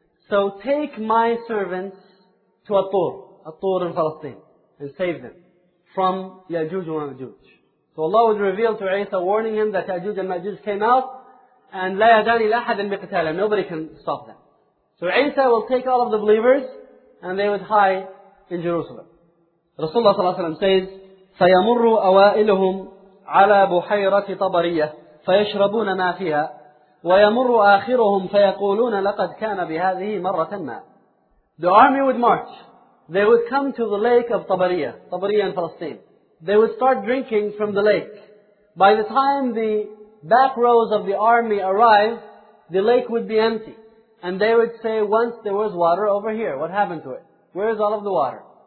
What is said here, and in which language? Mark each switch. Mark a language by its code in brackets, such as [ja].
[en] So take my servants to At-Tur, At-Tur in Palestine, and save them from Ya'juj and Ma'juj. So Allah would reveal to Isa, warning him that Ya'juj and Ma'juj came out, And [ar] لا يداني لأحد بقتالهم. [en] Nobody can stop them. So Isa will take all of the believers and they would hide in Jerusalem. [ar] Rasulullah صلى الله عليه وسلم says, سيمر أوائلهم على بحيرة طبرية فيشربون ما فيها ويمر آخرهم فيقولون لقد كان بهذه مرة ما. [en] The army would march. They would come to the lake of Tabariya. Tabariya in Palestine. They would start drinking from the lake. By the time the back rows of the army arrive, the lake would be empty. And they would say, once there was water over here, what happened to it? Where is all of the water?